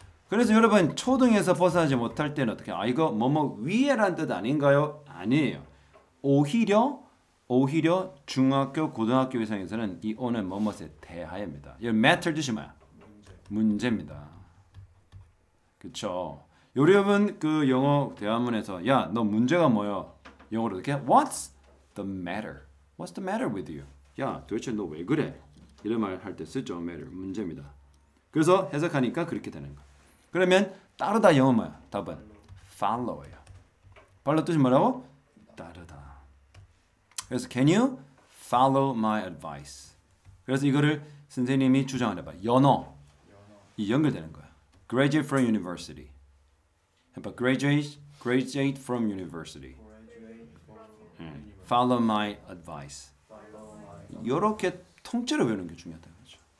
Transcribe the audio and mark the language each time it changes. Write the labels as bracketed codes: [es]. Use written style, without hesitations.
[ko] 그래서 여러분, 초등에서 벗어나지 못할 때는 어떻게, 아, 이거 뭐뭐 위에란 뜻 아닌가요? 아니에요. 오히려 중학교, 고등학교 이상에서는 이 on은 뭐뭐에 대하여입니다. 이 matter 뜻이 뭐야? 문제입니다. 그쵸? 여러분, 그 영어 대화문에서, 야, 너 문제가 뭐야? 영어로 이렇게, [en] What's the matter? What's the matter with you? [ko] 야, 도대체 너왜 그래? 이런 말할때 쓰죠. matter. 문제입니다. 그래서 해석하니까 그렇게 되는 거. 그러면 따르다 영어 뭐야? 답은 follow예요. follow 뜻이 뭐라고? 따르다. 그래서 [en] can you follow my advice? [ko] 그래서 이거를 선생님이 주장하려봐. 연어. 이 연결되는 거야. [en] graduate from university. [ko] 해봐. [en] graduate from university. 응. follow my advice. [ko] 이렇게 통째로 외우는 게 중요하다는 거죠.